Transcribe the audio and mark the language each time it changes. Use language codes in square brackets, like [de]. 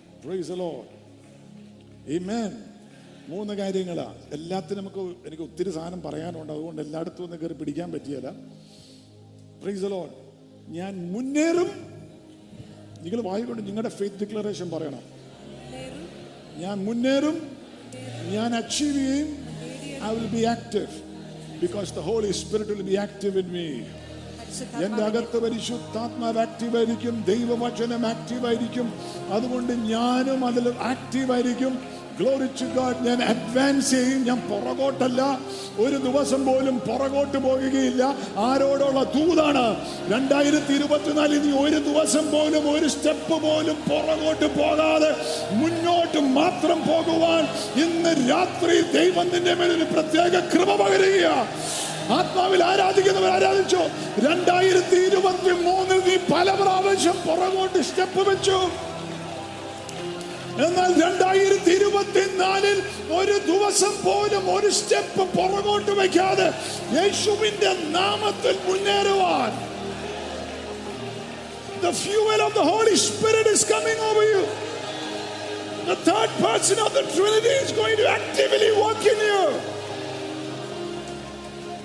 [en] Praise the Lord. Amen. [ml] മൂന്ന് കാര്യങ്ങളാ എല്ലാത്തിനും. നമുക്ക് എനിക്ക് ഒത്തിരി സാധനം പറയാനുണ്ട്, അതുകൊണ്ട് എല്ലായിടത്തും ഒന്ന് കയറി പിടിക്കാൻ പറ്റിയല്ല. [en] Praise the Lord. [ml] ഞാൻ മുന്നേറും. നിങ്ങൾ വായിക്കൊണ്ട് നിങ്ങളുടെ ഫെയ്ത്ത് ഡിക്ലറേഷൻ പറയണം. ഞാൻ മുന്നേറും. ഞാൻ അച്ചീവ് ചെയ്യും. [en] I will be active because the Holy Spirit will be active in me. [ml] എന്റെ അകത്ത് പരിശുദ്ധാത്മാവ് ആക്റ്റീവായിരിക്കും. ദൈവവചനം ആക്റ്റീവായിരിക്കും. അതുകൊണ്ട് ഞാനും അതിൽ ആക്റ്റീവായിരിക്കും. [en] Glory to God. [ml] ഞാൻ അഡ്വാൻസ് ചെയ്യും. ഞാൻ പുറകോട്ടല്ല. ഒരു ദിവസം പോലും പുറകോട്ട് പോകുകയില്ല. ആരോടുള്ള ദൂതാണ്? 2024 ഇനി ഒരു ദിവസം പോലും, ഒരു സ്റ്റെപ്പ് പോലും പുറകോട്ട് പോകാതെ മുന്നോട്ട് മാത്രം പോകുവാൻ ഇന്ന് രാത്രി ദൈവത്തിന്റെ മേൽ ഒരു പ്രത്യേക കൃപ പകരുക. ആത്മാവിൽ ആരാധിക്കുന്നവർ ആരാധിച്ചു. 2023 നീ പല പ്രാവശ്യം പുറകോട്ട് സ്റ്റെപ്പ് വെച്ചു. എന്നാൽ 2024 ഒരു ദിവസം പോലും ഒരു സ്റ്റെപ്പ് പുറകോട്ട് വയ്ക്കാതെ യേശുവിന്റെ നാമത്തിൽ മുന്നേറുവാൻ. [en] The fuel of the Holy Spirit is coming over you. The third person of the Trinity is going to actively work in you.